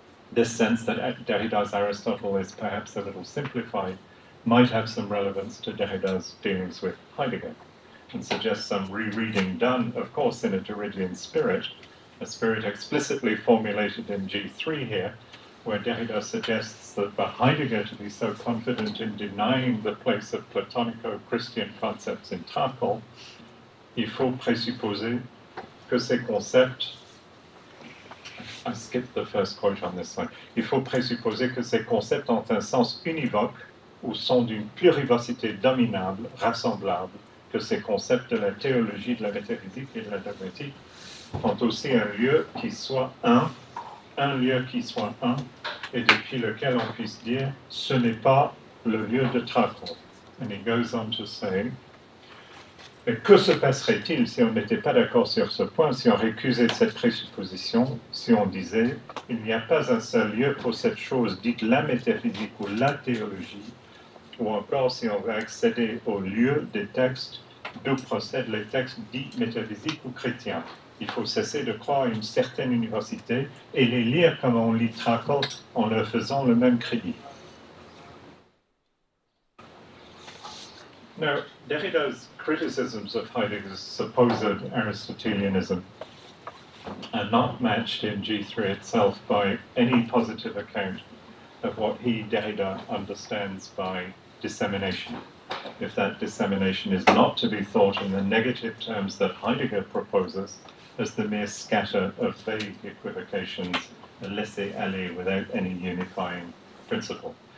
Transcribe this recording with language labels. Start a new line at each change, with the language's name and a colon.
English: this sense that Derrida's Aristotle is perhaps a little simplified might have some relevance to Derrida's dealings with Heidegger, and suggest some rereading done, of course, in a Derridian spirit, a spirit explicitly formulated in G3 here, where Derrida suggests that for Heidegger to be so confident in denying the place of Platonico-Christian concepts in Tarkov,
French: il faut présupposer que ces concepts...
English: I skipped the first quote on this slide.
French: Il faut présupposer que ces concepts ont un sens univoque ou sont d'une plurivocité dominable, rassemblable, que ces concepts de la théologie, de la métaphysique et de la dogmatique ont aussi un lieu qui soit un, et depuis lequel on puisse dire ce n'est pas le lieu de Tracon.
English: And he goes on to say,
French: mais que se passerait-il si on n'était pas d'accord sur ce point, si on récusait cette présupposition, si on disait il n'y a pas un seul lieu pour cette chose dite la métaphysique ou la théologie, ou encore si on veut accéder au lieu des textes d'où procèdent les textes dits métaphysiques ou chrétiens. Il faut cesser de croire à une certaine université et les lire comme on lit Tracon en leur faisant le même crédit.
English: Now, Derrida's criticisms of Heidegger's supposed Aristotelianism are not matched in G3 itself by any positive account of what he, Derrida, understands by dissemination, if that dissemination is not to be thought in the negative terms that Heidegger proposes as the mere scatter of vague equivocations, a laissez-aller without any unifying principle.